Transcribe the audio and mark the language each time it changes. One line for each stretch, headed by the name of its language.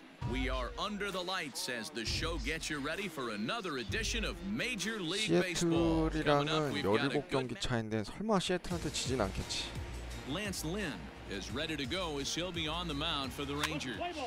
English: We are under the lights as the show gets you ready for another edition of Major League Baseball.
Korean: 시애틀이랑은 17 경기 차인데 설마 시애틀한테 지진 않겠지.
English: Lance Lynn is ready to go as he'll be on the mound for the Rangers.